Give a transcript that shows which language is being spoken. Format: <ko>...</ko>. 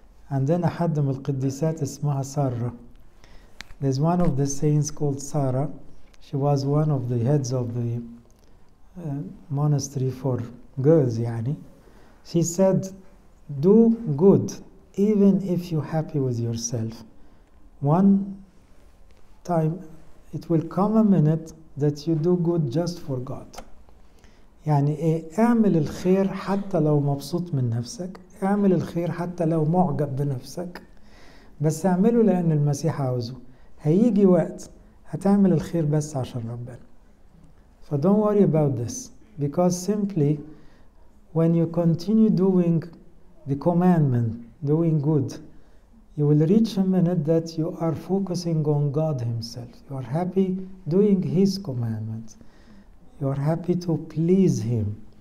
<ar>عندنا حد من القديسات اسمها سارة.</ar> <en>There's one of the saints called Sarah. She was one of the heads of the monastery for girls يعني. She said, do good even if you're happy with yourself. One time it will come a minute that you do good just for God.</en> <ar>يعني ايه؟ اعمل الخير حتى لو مبسوط من نفسك، اعمل الخير حتى لو معجب بنفسك، بس اعمله لان المسيح عاوزه. هيجي وقت هتعمل الخير بس عشان ربنا.</ar> <en>ف don't worry about this, because simply when you continue doing the commandment, doing good, you will reach a minute that you are focusing on God himself. You are happy doing his commandment. You are happy to please him.</en>